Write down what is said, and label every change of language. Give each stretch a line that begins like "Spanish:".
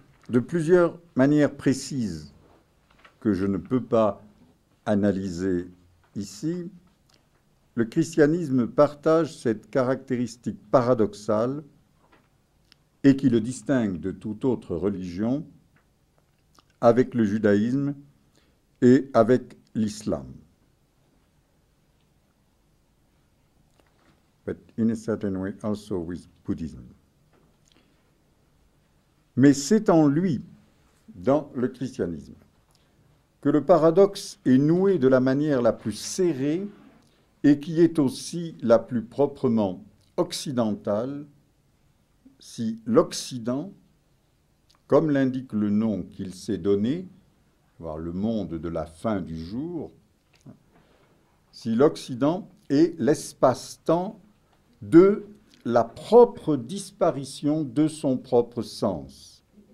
French: De plusieurs manières précises que je ne peux pas analyser ici, le christianisme partage cette caractéristique paradoxale et qui le distingue de toute autre religion avec le judaïsme et avec l'islam.
English: But in a certain way also with Buddhism.
French: Mais c'est en lui, dans le christianisme, que le paradoxe est noué de la manière la plus serrée et qui est aussi la plus proprement occidentale, si l'Occident, comme l'indique le nom qu'il s'est donné, voire le monde de la fin du jour, si l'Occident est l'espace-temps de la propre disparition de son propre sens.